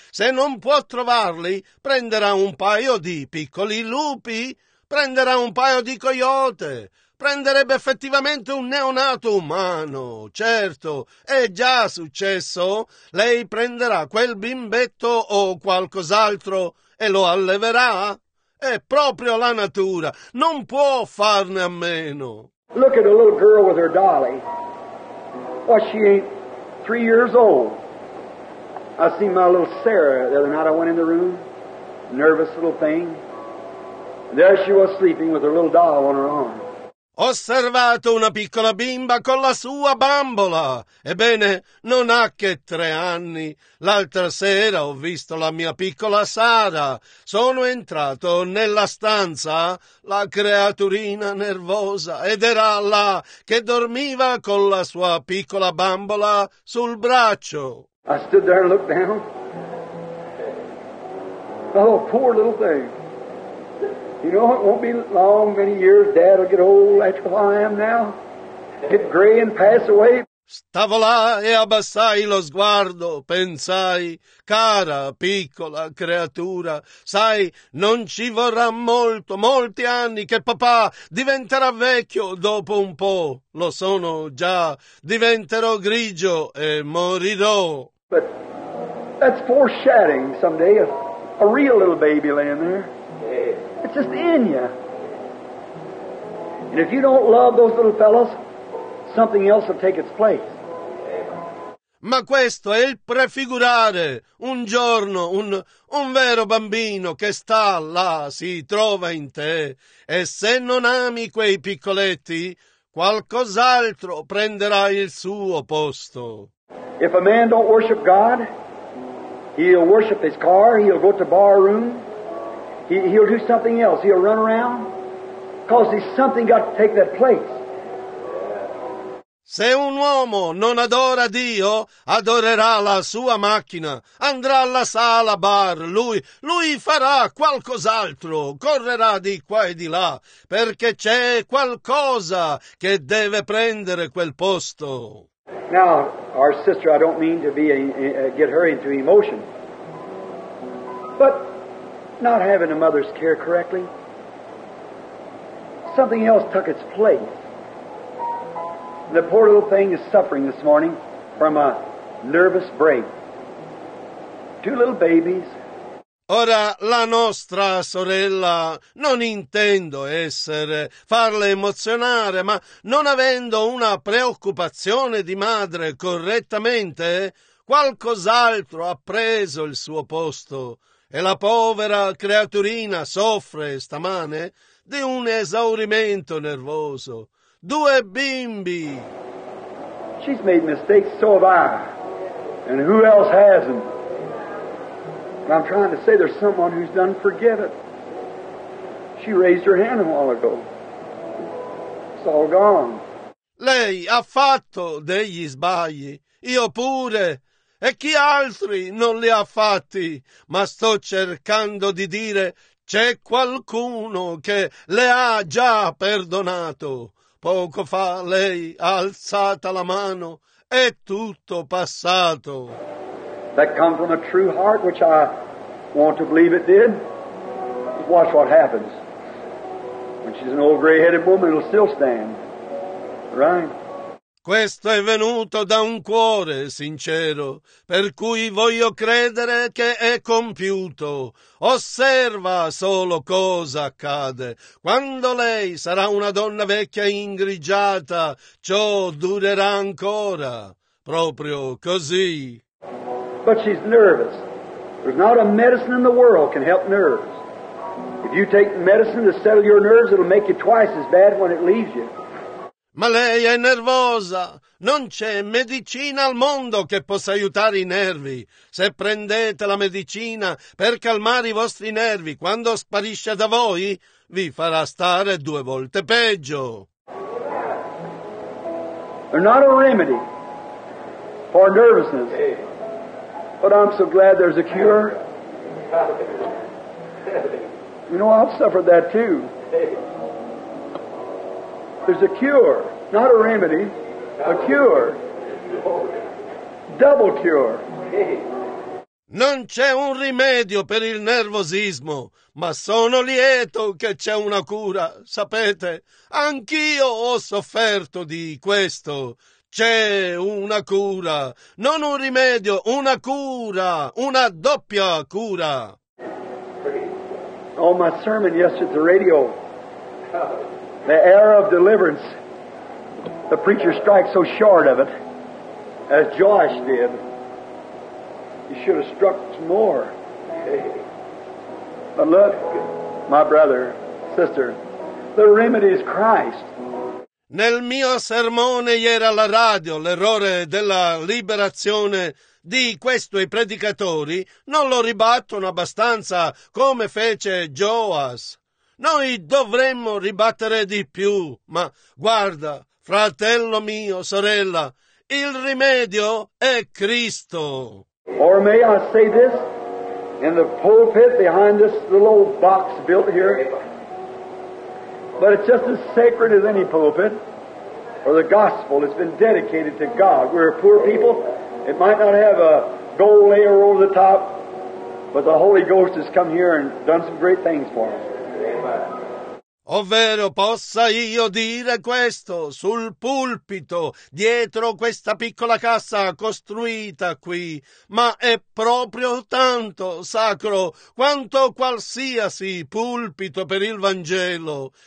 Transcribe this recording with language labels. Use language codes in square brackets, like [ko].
[it] Se non può trovarli, prenderà un paio di piccoli lupi, prenderà un paio di coyote, prenderebbe effettivamente un neonato umano. Certo, è già successo, lei prenderà quel bimbetto o qualcos'altro e lo alleverà. È proprio la natura, non può farne a meno. [en] Look at a little girl with her dolly. Well, she ain't 3 years old. I seen my little Sarah the other night. I went in the room. nervous little thing. There she was sleeping with her little doll on her arm. [it] Osservato una piccola bimba con la sua bambola. Ebbene, non ha che 3 anni. L'altra sera ho visto la mia piccola Sara. Sono entrato nella stanza, la creaturina nervosa, ed era là che dormiva con la sua piccola bambola sul braccio. [en] I stood there and looked down. Oh, poor little thing. You know, it won't be long, many years, Dad will get old, that's how I am now. Get gray and pass away. [it] Stavo là e abbassai lo sguardo, pensai, cara piccola creatura, sai, non ci vorrà molto, molti anni che papà diventerà vecchio dopo un po', lo sono già, diventerò grigio e morirò. [en] But that's foreshadowing someday, a real little baby laying there. It's just in you. And if you don't love those little fellows, something else will take its place. [it] Ma questo è il prefigurare. Un giorno un vero bambino che sta là si trova in te. E se non ami quei piccoletti, qualcos'altro prenderà il suo posto. [en] If a man don't worship God, he'll worship his car, he'll go to bar room, he'll do something else, he'll run around, because there's something got to take that place. [it] Se un uomo non adora Dio, adorerà la sua macchina, andrà alla sala bar, lui farà qualcos'altro, correrà di qua e di là, perché c'è qualcosa che deve prendere quel posto. [en] Now, our sister, I don't mean to be get her into emotion, but not having a mother's care correctly, something else took its place. The poor little thing is suffering this morning from a nervous break. 2 little babies. [it] Ora, la nostra sorella, non intendo essere, farle emozionare, ma non avendo una preoccupazione di madre correttamente, qualcos'altro ha preso il suo posto. E la povera creaturina soffre stamane di un esaurimento nervoso. 2 bimbi. [en] She's made mistakes, so have I. And who else hasn't? But I'm trying to say there's someone who's done forgiven. She raised her hand a while ago. It's all gone. [it] Lei ha fatto degli sbagli. Io pure. E chi altri non li ha fatti? Ma sto cercando di dire c'è qualcuno che le ha già perdonato. Poco fa lei ha alzata la mano, è tutto passato. [en] That come from a true heart, which I want to believe it did. Watch what happens. When she's an old gray-headed woman, it'll still stand. Right? [it] Questo è venuto da un cuore sincero, per cui voglio credere che è compiuto. Osserva solo cosa accade. Quando lei sarà una donna vecchia ingrigiata, ciò durerà ancora. Proprio così. [en] But she's nervous. There's not a medicine in the world can help nerves. If you take medicine to settle your nerves, it'll make you twice as bad when it leaves you. [it] Ma lei è nervosa. Non c'è medicina al mondo che possa aiutare i nervi. Se prendete la medicina per calmare i vostri nervi, quando sparisce da voi, vi farà stare 2 volte peggio. [en] There's not a remedy for nervousness. But I'm so glad there's a cure. You know, I've suffered that too. There's a cure, not a remedy, a cure, double cure. [it] Non c'è un rimedio per il nervosismo, ma sono lieto che c'è una cura. Sapete, anch'io ho sofferto di questo. C'è una cura, non un rimedio, una cura, una doppia cura. [en] Oh, my sermon yesterday at the radio. The era of deliverance, the preacher strikes so short of it, as Josh did. He should have struck more. But look, my brother, sister, the remedy is Christ. [it] Nel mio sermone ieri alla radio, l'errore della liberazione di questi predicatori non lo ribattono abbastanza come fece Joas. Noi dovremmo ribattere di più, ma guarda, fratello mio, sorella, il rimedio è Cristo. [en] Or may I say this, in the pulpit behind this little old box built here, but it's just as sacred as any pulpit, or the gospel has been dedicated to God. We're poor people, it might not have a gold layer over the top, but the Holy Ghost has come here and done some great things for us. [it] Ovvero possa io dire questo, sul pulpito, dietro questa piccola cassa costruita qui, ma è proprio tanto sacro quanto qualsiasi pulpito per il Vangelo.